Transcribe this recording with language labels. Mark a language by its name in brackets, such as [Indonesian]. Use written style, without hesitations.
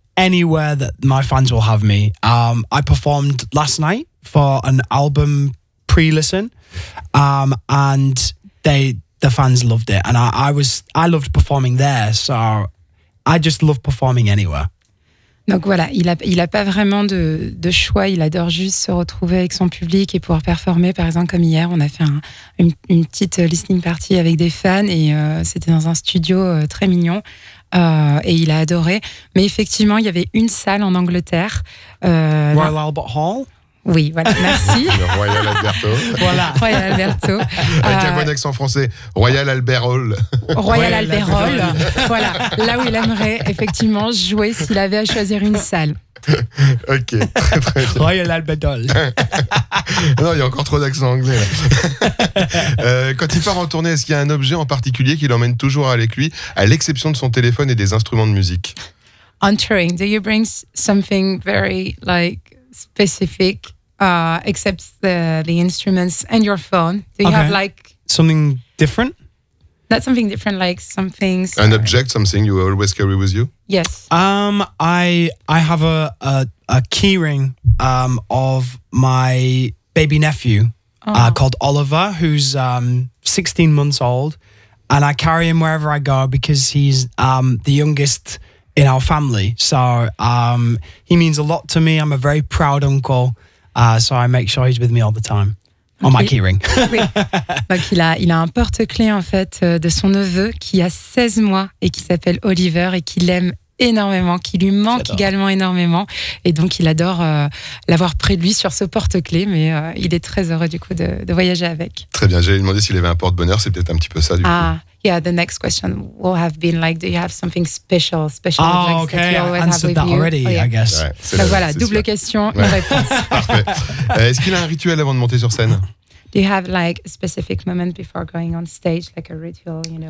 [English] anywhere that my fans will have me. I performed last night for an album pre-listen, and the fans loved it. And I loved performing there, so I just love performing anywhere. [French] Donc voilà, il a pas vraiment de choix. Il adore juste se retrouver avec son public et pouvoir performer. Par exemple, comme hier, on a fait une petite [English] listening party [French] avec des fans et c'était dans un studio très mignon. Et il a adoré. Mais effectivement, il y avait une salle en Angleterre. Royal Albert Hall. Oui, voilà, merci. Royal Alberto. Voilà, Royal Alberto. Avec un bon accent français. Royal Albert Hall. Royal Albert Hall. Voilà, là où il aimerait effectivement jouer s'il avait à choisir une salle. Ok, très très bien. Royal Albert Hall. Non, il y a encore trop d'accent anglais. Là. Quand il part en tournée, est-ce qu'il y a un objet en particulier qu'il emmène toujours avec lui, à l'exception de son téléphone et des instruments de musique? [English] On touring, do you bring something very like specific, except the instruments and your phone? Do you have like something different? Not something different, like something. Sorry. An object, something you always carry with you? Yes. I have a key ring of my baby nephew called Oliver, who's 16 months old, and I carry him wherever I go because he's the youngest in our family. So he means a lot to me. I'm a very proud uncle. So I make sure he's with me all the time. Okay. On my key ring. [French] Oui. Donc il a un porte-clés en fait de son neveu qui a 16 mois et qui s'appelle Oliver et qui l'aime énormément, qui lui manque également énormément. Et donc il adore l'avoir près de lui sur ce porte-clés, mais il est très heureux du coup de voyager avec. Très bien, j'allais lui demander s'il avait un porte-bonheur, c'est peut-être un petit peu ça du coup. [English] Yeah, the next question will have been like, do you have something special objects that you always have with you? Oh, okay, I answered that already, I guess. [French] Ouais, donc voilà, double question, une réponse. Est-ce qu'il a un rituel avant de monter sur scène? [English] Do you have like a specific moment before going on stage, like a ritual, you know?